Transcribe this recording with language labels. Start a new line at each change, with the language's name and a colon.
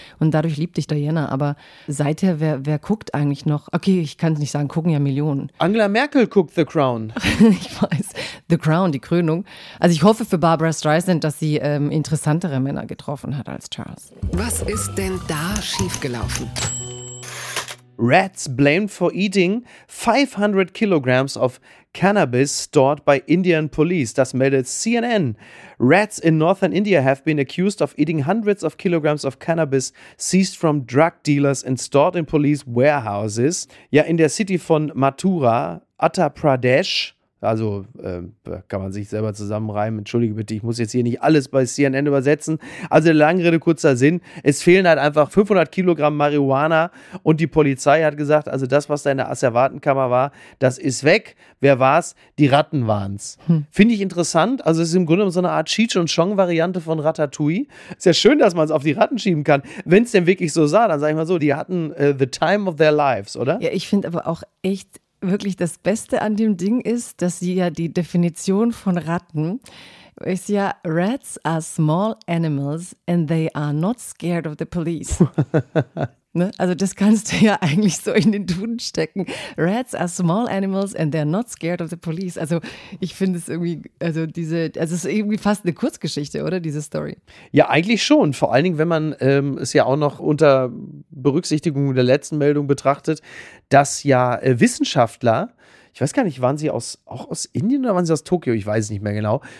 German: Und dadurch liebt dich Diana, aber seither, wer guckt eigentlich noch? Okay, ich kann es nicht sagen, gucken ja Millionen. Angela Merkel guckt The Crown. Ich weiß, The Crown, die Krönung. Also ich hoffe für Barbara Streisand, dass sie interessantere Männer getroffen hat als Charles. Was ist denn da schiefgelaufen?
English: Rats blamed for eating 500 kilograms of cannabis stored by Indian police.
German: Das meldet CNN.
English: Rats in northern India have been accused of eating hundreds of kilograms of cannabis seized from drug dealers and stored in police warehouses.
German: Ja, in der City von Mathura, Uttar Pradesh. Also kann man sich selber zusammenreimen. Entschuldige bitte, ich muss jetzt hier nicht alles bei CNN übersetzen. Also lange Rede, kurzer Sinn. Es fehlen halt einfach 500 Kilogramm Marihuana und die Polizei hat gesagt, also das, was da in der Asservatenkammer war, das ist weg. Wer war's? Die Ratten waren's. Finde ich interessant. Also es ist im Grunde so eine Art Cheech und Chong-Variante von Ratatouille. Ist ja schön, dass man es auf die Ratten schieben kann. Wenn es denn wirklich so sah, dann sage ich mal so, die hatten
English: the time of their lives,
German: oder? Ja, ich finde aber auch echt wirklich das Beste an dem Ding ist, dass sie ja die Definition von Ratten ist ja,
English: rats are small animals and they are not scared of the police.
German: Ne? Also das kannst du ja eigentlich so in den Duden stecken.
English: Rats are small animals and they're not scared of the police.
German: Also ich finde es irgendwie, also diese, also es ist irgendwie fast eine Kurzgeschichte, oder, diese Story? Ja, eigentlich schon. Vor allen Dingen, wenn man es ja auch noch unter Berücksichtigung der letzten Meldung betrachtet, dass ja Wissenschaftler ich weiß gar nicht, waren sie aus Indien oder waren sie aus Tokio? Ich weiß es nicht mehr genau.